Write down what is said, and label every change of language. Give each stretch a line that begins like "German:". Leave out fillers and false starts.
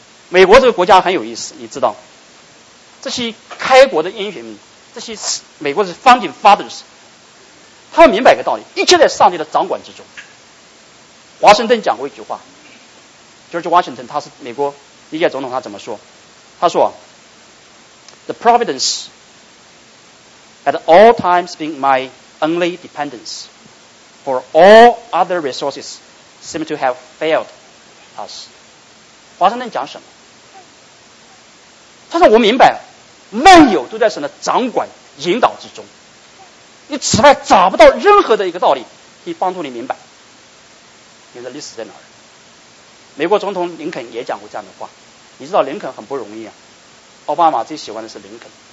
Chinese: 美国这个国家很有意思，你知道这些开国的英雄，这些美国的 founding fathers， 他们明白一个道理，一切在上帝的掌管之中。华盛顿讲过一句话， George Washington， 他是美国历届总统，他怎么说？他说
English: The providence at all times being my only dependence for all other resources seem to have failed us。
Chinese: 华盛顿讲什么？他说我明白万有都在神的掌管引导之中，你此外找不到任何的一个道理可以帮助你明白你的历史在哪儿。美国总统林肯也讲过这样的话，你知道林肯很不容易啊，奥巴马最喜欢的是林肯。